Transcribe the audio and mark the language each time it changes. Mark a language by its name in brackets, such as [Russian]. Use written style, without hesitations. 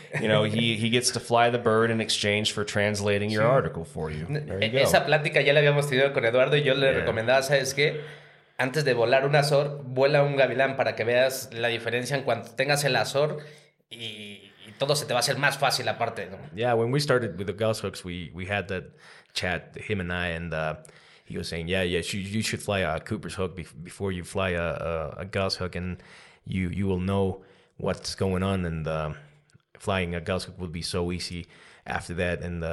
[English] You know, he gets to fly the bird in exchange for translating your article for you. There you go. [Spanish] Esa plática ya la habíamos tenido con Eduardo y yo le recomendaba, ¿sabes qué? Antes de volar un azor, vuela un gavilán para que veas la diferencia en cuanto tengas el azor y todo se te va a hacer más fácil aparte, ¿no? [English] Yeah, when we started with the goshawks, we had that chat, him and I, and... He was saying, you should fly a Cooper's hook before you fly a goshawk, and you will know what's going on, and flying a goshawk would be so easy after that.